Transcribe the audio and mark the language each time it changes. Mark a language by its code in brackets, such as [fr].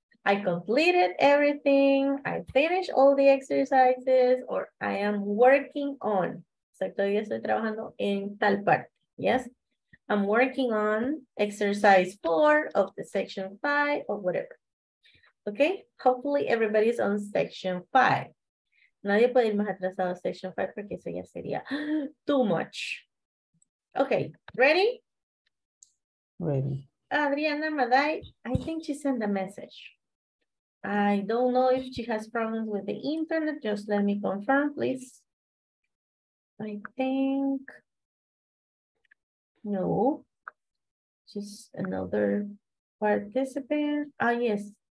[en] I completed everything, I finished all the exercises, or I am working on. [es] So todavía estoy trabajando en tal parte. Yes? [en] I'm working on exercise 4 of the section 5 or whatever. Okay? Hopefully everybody's on section 5. [es] Nadie puede ir más atrasado a section 5 porque eso ya sería [en] too much. Okay, ready? Ready. Adriana Maday, I think she sent a message. I don't know if she has problems with the internet. Just let me confirm, please. I think, no. She's another participant. Ah, yes,